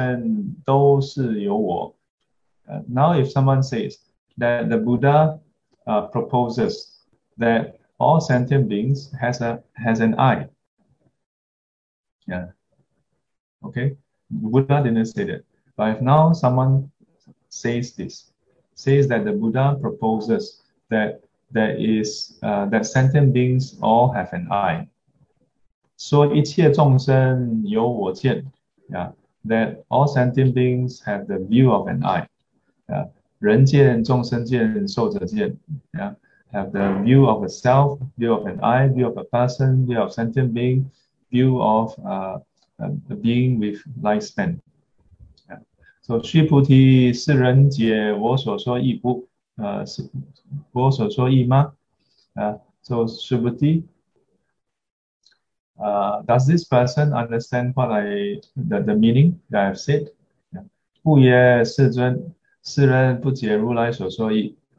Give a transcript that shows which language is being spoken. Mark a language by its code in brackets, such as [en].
[zh] 佛主张一切众生都是由我. [en] Now, if someone says that the Buddha proposes that all sentient beings has an I, yeah, okay, the Buddha didn't say that. But if now someone says that the Buddha proposes that that sentient beings all have an I. So, [zh] 一切众生由我见, [en] yeah, that all sentient beings have the view of an eye, yeah, [zh] 人见众生见受者见, [en] yeah, have the view of a self, view of an eye, view of a person, view of sentient being, view of a being with lifespan. [zh] So, 须菩提，是人解我所说意不？是我所说意吗？So, 须菩提。 [en] Does this person understand what the meaning that I've said? [zh] 不也，世尊，世人不解如来所说意。